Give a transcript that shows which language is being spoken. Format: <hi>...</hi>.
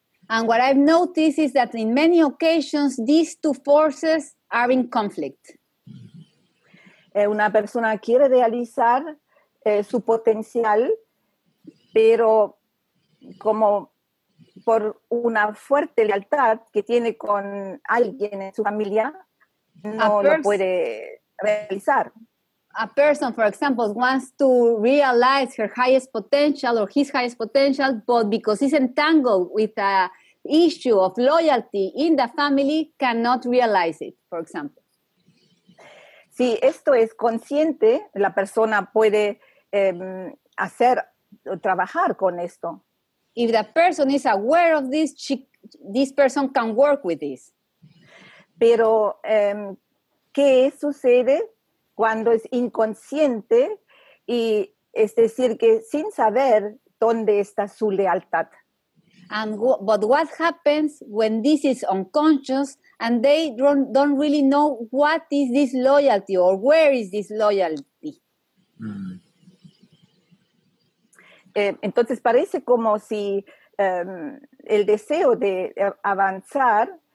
<en>And what I've noticed is that in many occasions, these two forces are in conflict.</en> <es>Una persona quiere realizar su potencial, pero como por una fuerte lealtad que tiene con alguien en su familia, no lo puede realizar.</es> <en>A person, for example, wants to realize her highest potential or his highest potential, but because he's entangled with a issue of loyalty in the family, cannot realize it, for example.</en> <es>Si esto es consciente, la persona puede hacer o trabajar con esto.</es> <en>If the person is aware of this, this person can work with this.</en> <es>Pero, ¿qué sucede cuando es inconsciente y es decir que sin saber dónde está su lealtad?</es> <en>But what happens when this is unconscious and they don't really know what is this loyalty or where is this loyalty?</en> <es>Entonces parece como si el deseo de avanzar.</es>